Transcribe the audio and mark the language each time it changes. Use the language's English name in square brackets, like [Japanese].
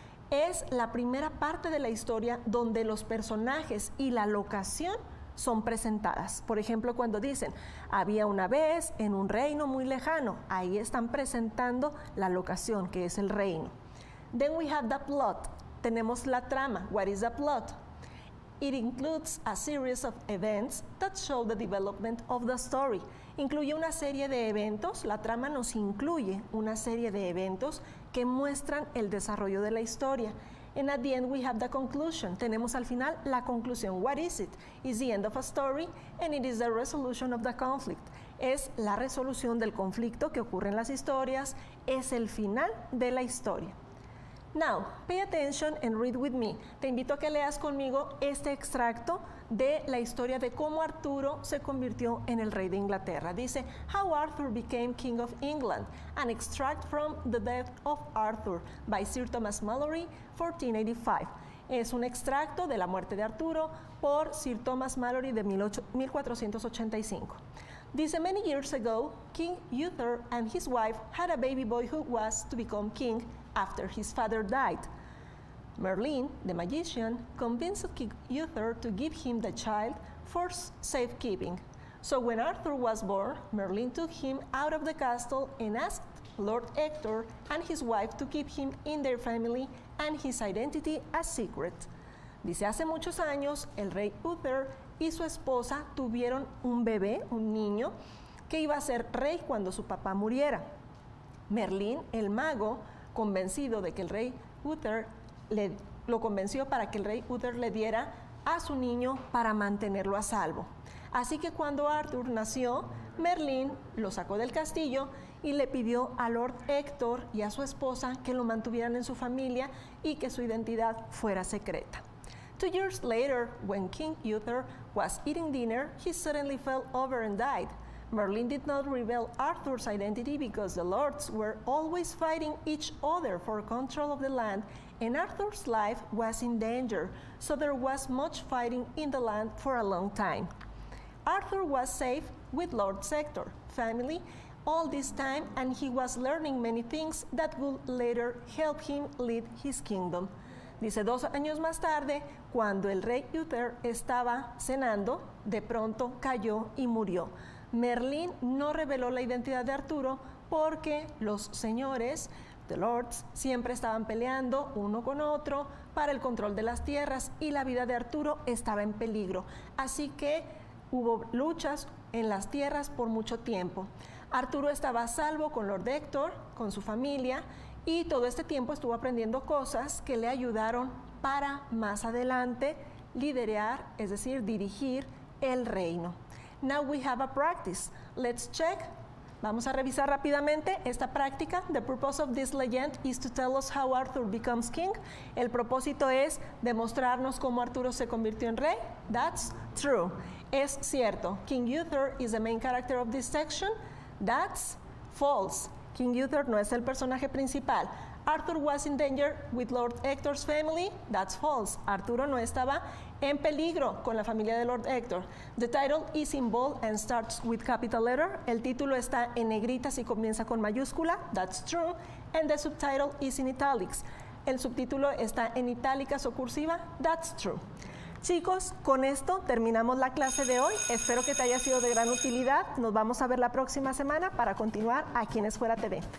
[Spanish] Es la primera parte de la historia donde los personajes y la locación son presentadas. Por ejemplo, cuando dicen, había una vez en un reino muy lejano, ahí están presentando la locación, que es el reino. [English] Then we have the plot. [Spanish] Tenemos la trama. [English] What is the plot? It includes a series of events that show the development of the story. [Spanish] Incluye una serie de eventos. La trama nos incluye una serie de eventos que muestran el desarrollo de la historia. [English] And at the end we have the conclusion. [Spanish] Tenemos al final la conclusión. [English] What is it? It's the end of a story and it is the resolution of the conflict. [Spanish] Es la resolución del conflicto que ocurre en las historias. Es el final de la historia. [English] Now, pay attention and read with me. [Spanish] Te invito a que leas conmigo este extracto de la historia de cómo Arturo se convirtió en el rey de Inglaterra. [English] Dice, How Arthur Became King of England, an extract from The Death of Arthur by Sir Thomas Malory, 1485. [Spanish] Es un extracto de la muerte de Arturo por Sir Thomas Malory de 1485. [English] Dice, Many years ago, King Uther and his wife had a baby boy who was to become king after his father died. Merlin, the magician, convinced King Uther to give him the child for safekeeping. So when Arthur was born, Merlin took him out of the castle and asked Lord Ector and his wife to keep him in their family and his identity a secret. [Spanish] Dice, hace muchos años, el rey Uther y su esposa tuvieron un bebé, un niño, que iba a ser rey cuando su papá muriera. Merlin, el mago, convencido de que el rey Uther lo convenció para que el rey Uther le diera a su niño para mantenerlo a salvo. Así que cuando Arthur nació, Merlin lo sacó del castillo y le pidió a Lord Hector y a su esposa que lo mantuvieran en su familia y que su identidad fuera secreta. [English] 2 years later, when King Uther was eating dinner, he suddenly fell over and died. Merlin did not reveal Arthur's identity because the lords were always fighting each other for control of the land and Arthur's life was in danger, so there was much fighting in the land for a long time. Arthur was safe with Lord Sector family all this time and he was learning many things that would later help him lead his kingdom. [Spanish] Dice, 2 años más tarde, cuando el rey Uther estaba cenando, de pronto cayó y murió. Merlin no reveló la identidad de Arturo porque los señores, [English] the lords, [Spanish] siempre estaban peleando uno con otro para el control de las tierras y la vida de Arturo estaba en peligro. Así que hubo luchas en las tierras por mucho tiempo. Arturo estaba a salvo con Lord Hector, con su familia, y todo este tiempo estuvo aprendiendo cosas que le ayudaron para más adelante liderar, es decir, dirigir el reino. [English] Now we have a practice. Let's check [Spanish] Vamos a revisar rápidamente esta práctica. [English] The purpose of this legend is to tell us how Arthur becomes king. [Spanish] El propósito es demostrarnos cómo Arturo se convirtió en rey. [English] That's true. [Spanish] Es cierto. [English] King Uther is the main character of this section. That's false. [Spanish] King Uther no es el personaje principal. [English] Arthur was in danger with Lord Hector's family. That's false. [Spanish] Arturo no estaba en peligro con la familia de Lord Hector. [English] The title is in bold and starts with capital letter. [Spanish] El título está en negritas y comienza con mayúscula. [English] That's true. And the subtitle is in italics. [Spanish] El subtítulo está en itálicas o cursiva. [English] That's true. [Spanish] Chicos, con esto terminamos la clase de hoy. Espero que te haya sido de gran utilidad. Nos vamos a ver la próxima semana para continuar aquí en Escuela TV.